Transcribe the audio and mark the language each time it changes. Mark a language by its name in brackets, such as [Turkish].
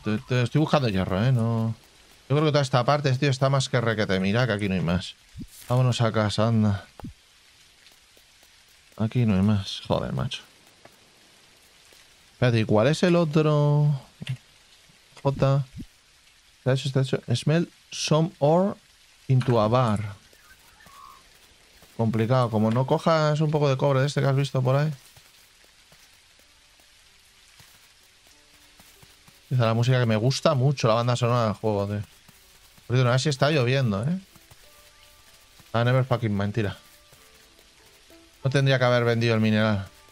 [Spanish] Estoy buscando hierro, ¿eh? No. Yo creo que toda esta parte, tío, está más que requete. Mira que aquí no hay más. Vámonos a casa, anda. Aquí no hay más. Joder, macho. Espérate, ¿y cuál es el otro? J. Está hecho. [English] Smell some ore into a bar. [Spanish] Complicado. Como no cojas un poco de cobre de este que has visto por ahí. Esa es la música que me gusta mucho, la banda sonora del juego, tío. Por cierto, no sé si está lloviendo, ¿eh? Ah, [English] never fucking [Spanish] mentira. No tendría que haber vendido el mineral.